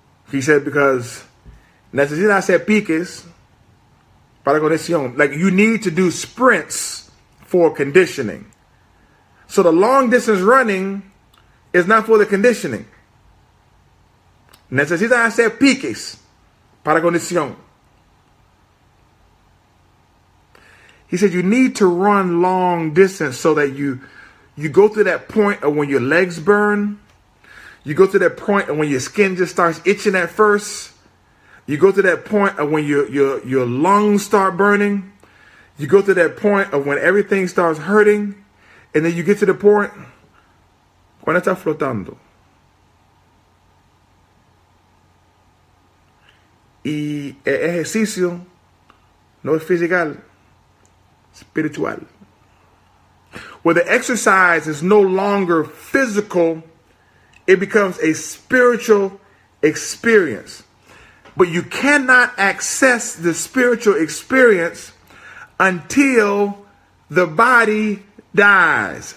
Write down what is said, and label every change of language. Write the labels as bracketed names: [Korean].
[English] He said, because [Spanish] necesitas ser piques. [English] Like, you need to do sprints for conditioning. So the long distance running is not for the conditioning. [Spanish] Necesitas hacer piques para condición. [English] He said you need to run long distance so that you go through that point of when your legs burn. You go through that point of when your skin just starts itching at first. You go to that point of when your lungs start burning. You go to that point of when everything starts hurting. And then you get to the point. [Spanish] Cuando está flotando. Y el ejercicio no es physical, espiritual. [English] Where the exercise is no longer physical, it becomes a spiritual experience. But you cannot access the spiritual experience until the body dies.